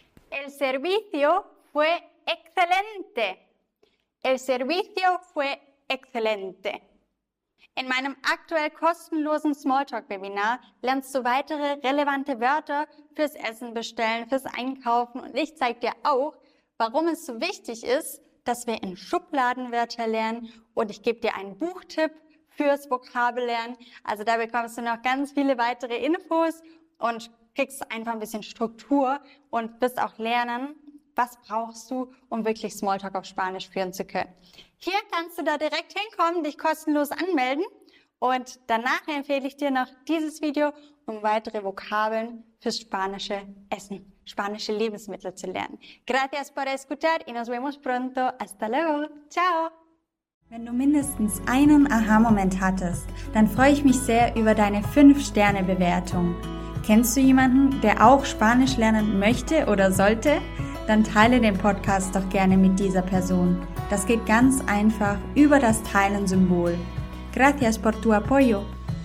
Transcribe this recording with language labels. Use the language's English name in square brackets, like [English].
[Spanish] El servicio fue excelente. El servicio fue excelente. [German] In meinem aktuell kostenlosen Smalltalk-Webinar lernst du weitere relevante Wörter fürs Essen bestellen, fürs Einkaufen und ich zeige dir auch, warum es so wichtig ist, dass wir in Schubladen Wörter lernen und ich gebe dir einen Buchtipp fürs Vokabellernen. Also da bekommst du noch ganz viele weitere Infos und kriegst einfach ein bisschen Struktur und wirst auch lernen, was brauchst du, um wirklich Smalltalk auf Spanisch führen zu können. Hier kannst du da direkt hinkommen, dich kostenlos anmelden und danach empfehle ich dir noch dieses Video, um weitere Vokabeln fürs spanische Essen, spanische Lebensmittel zu lernen. [Spanish] Gracias por escuchar y nos vemos pronto. Hasta luego. Ciao. [German] Wenn du mindestens einen Aha-Moment hattest, dann freue ich mich sehr über deine 5-Sterne-Bewertung. Kennst du jemanden, der auch Spanisch lernen möchte oder sollte? Dann teile den Podcast doch gerne mit dieser Person. Das geht ganz einfach über das Teilen-Symbol. [Spanish] Gracias por tu apoyo.